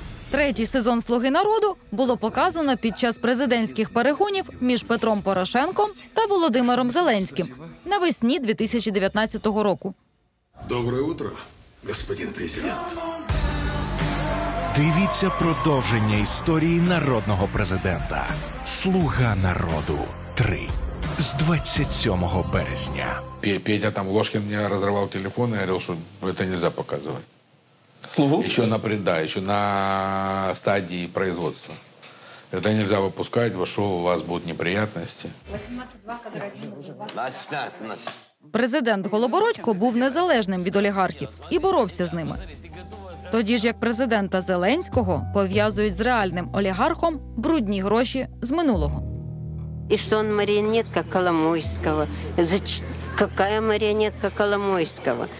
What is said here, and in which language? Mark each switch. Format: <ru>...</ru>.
<uk>Третій сезон «Слуги народу» було показано під час президентських перегонів між Петром Порошенком та Володимиром Зеленським навесні 2019 року.</uk> <ru>Доброе утро, господин президент.</ru> <uk>Дивіться продовження історії народного президента. «Слуга народу 3». З 27 березня.</uk> <ru>Петя там Ложкин мне разорвал телефон и говорил, что это нельзя показывать. «Слугу»? Еще на стадии производства. Это нельзя выпускать, во что у вас будут неприятности. 18-2, кадр 1.</ru> <uk>Президент Голобородько був незалежним від олігархів і боровся з ними. Тоді ж, як президента Зеленського пов'язують з реальним олігархом брудні гроші з минулого. І що він маріонетка Коломойського? Яка маріонетка Коломойського?</uk>